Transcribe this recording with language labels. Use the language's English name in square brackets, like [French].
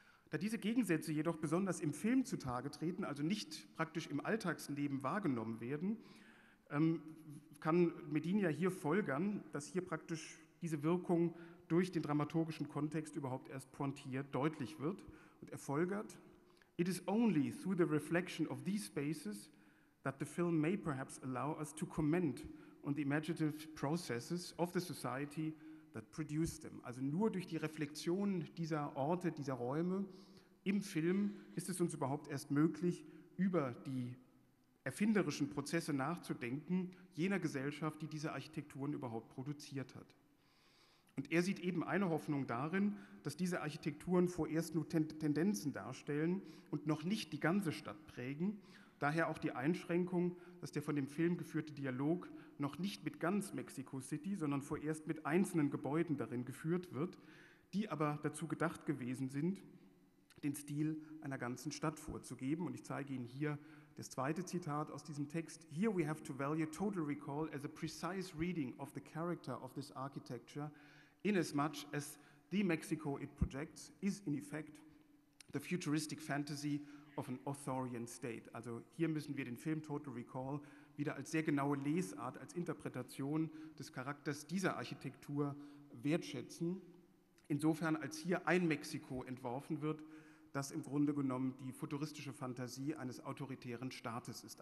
[German] Da diese Gegensätze jedoch besonders im Film zutage treten, also nicht praktisch im Alltagsleben wahrgenommen werden, kann Medina hier folgern, dass hier praktisch diese Wirkung durch den dramaturgischen Kontext überhaupt erst pointiert deutlich wird. Und er folgert: [English] It is only through the reflection of these spaces that the film may perhaps allow us to comment on the imaginative processes of the society that produced them. [German] Also nur durch die Reflexion dieser Orte, dieser Räume im Film ist es uns überhaupt erst möglich, über die erfinderischen Prozesse nachzudenken, jener Gesellschaft, die diese Architekturen überhaupt produziert hat. Und er sieht eben eine Hoffnung darin, dass diese Architekturen vorerst nur Tendenzen darstellen und noch nicht die ganze Stadt prägen. Daher auch die Einschränkung, dass der von dem Film geführte Dialog noch nicht mit ganz Mexico City, sondern vorerst mit einzelnen Gebäuden darin geführt wird, die aber dazu gedacht gewesen sind, den Stil einer ganzen Stadt vorzugeben. Und ich zeige Ihnen hier das zweite Zitat aus diesem Text. [English] Here we have to value total recall as a precise reading of the character of this architecture, inasmuch as the Mexico it projects is in effect the futuristic fantasy of an authorian state. [German] Also hier müssen wir den Film Total Recall wieder als sehr genaue Lesart, als Interpretation des Charakters dieser Architektur wertschätzen. Insofern, als hier ein Mexiko entworfen wird, das im Grunde genommen die futuristische Fantasie eines autoritären Staates ist.